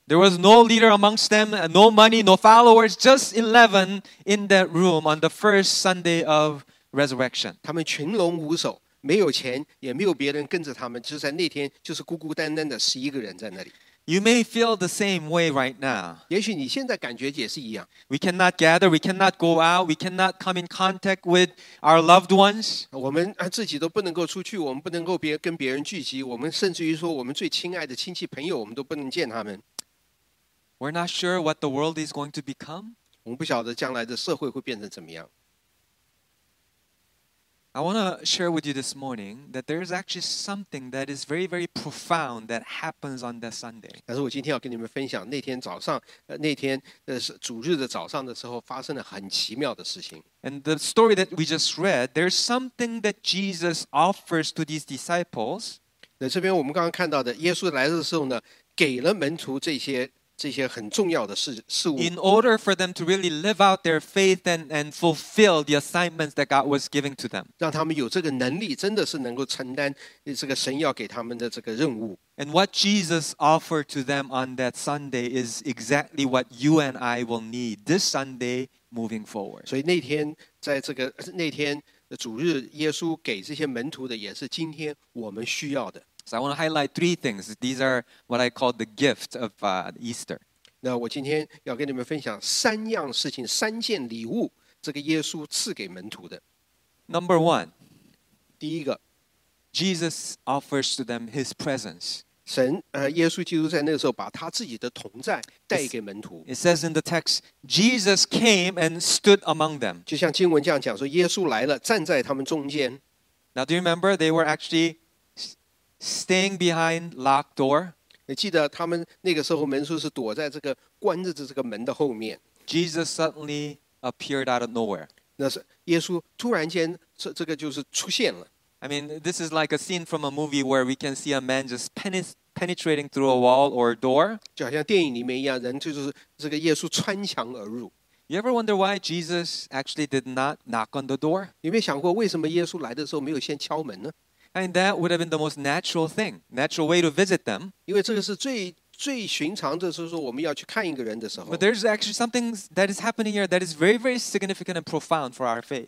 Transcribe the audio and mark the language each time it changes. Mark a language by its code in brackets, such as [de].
[en] There was no leader amongst them, no money, no followers, just 11 in that room on the first Sunday of resurrection. [zh] 他们群龙无首，没有钱，也没有别人跟着他们，就在那天就是孤孤单单的十一个人在那里。 [en] You may feel the same way right now. [zh] 也许你现在感觉也是一样。 [en] We cannot gather, we cannot go out, we cannot come in contact with our loved ones. [zh] 我们自己都不能够出去，我们不能够跟别人聚集，我们甚至于说我们最亲爱的亲戚朋友，我们都不能见他们。 [en] We're not sure what the world is going to become. [zh] 我们不晓得将来的社会会变成怎么样。 [en] I want to share with you this morning that there is actually something that is very, very profound that happens on that Sunday. [zh] 但是我今天要跟你们分享那天早上，那天主日的早上的时候发生了很奇妙的事情。 [en] And the story that we just read, there's something that Jesus offers to these disciples. [zh] 那这边我们刚刚看到的，耶稣来的时候呢，给了门徒这些很重要的事物 [en] in order for them to really live out their faith and fulfill the assignments that God was giving to them. [zh] 让他们有这个能力，真的是能够承担这个神要给他们的这个任务。 [en] And what Jesus offered to them on that Sunday is exactly what you and I will need this Sunday moving forward. [zh] 所以那天在这个那天主日，耶稣给这些门徒的也是今天我们需要的。 [en] So I want to highlight three things. These are what I call the gift of Easter. [zh] 那我今天要跟你们分享三样事情，三件礼物，这个耶稣赐给门徒的。 [en] Number one, [zh] 第一个 [en] ，Jesus offers to them His presence. [zh] 神，耶稣基督在那个时候把他自己的同在带给门徒。 [en] It says in the text, Jesus came and stood among them. [zh] 就像经文这样讲说，耶稣来了，站在他们中间。 [en] Now, do you remember they were actually staying behind locked door. [zh] 你记得他们那个时候门徒是躲在这个关着的这个门的后面。 [en] Jesus suddenly appeared out of nowhere. [zh] 那是耶稣突然间这个就是出现了。 [en] I mean, this is like a scene from a movie where we can see a man just penetrating through a wall or a door. [zh] 就好像电影里面一样，人就是这个耶稣穿墙而入。 [en] You ever wonder why Jesus actually did not knock on the door? [zh] 你有没有想过为什么耶稣来的时候没有先敲门呢？ [en] And that would have been the most natural thing, natural way to visit them. [zh] 因为这个是最寻常的，就是说我们要去看一个人的时候。 [en] But there's actually something that is happening here that is very, very significant and profound for our faith.